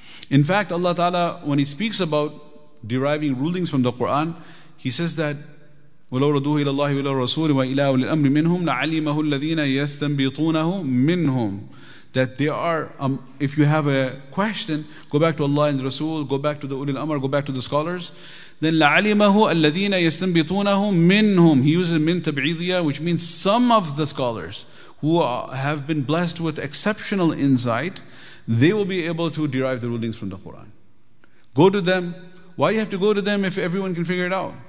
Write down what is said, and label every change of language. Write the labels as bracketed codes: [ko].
[en] In fact, Allah Ta'ala, when He speaks about deriving rulings from the Quran, He says that [ar] وَلَوْ رَدُوهِ إِلَى اللَّهِ وَلَى الرَّسُولِ وَإِلَىٰ أُولِي الْأَمْرِ مِنْهُمْ لَعَلِمَهُ الَّذِينَ يَسْتَنْبِطُونَهُ مِنْهُمْ. [en] That they are, if you have a question, go back to Allah and Rasul, go back to the Ulil Amr, go back to the scholars, [ar] then لَعَلِمَهُ الَّذِينَ يَسْتَنْبِطُونَهُ مِنْهُمْ. [en] He uses min tab'idhiya, which means some of the scholars who have been blessed with exceptional insight, they will be able to derive the rulings from the Quran. Go to them. Why do you have to go to them if everyone can figure it out?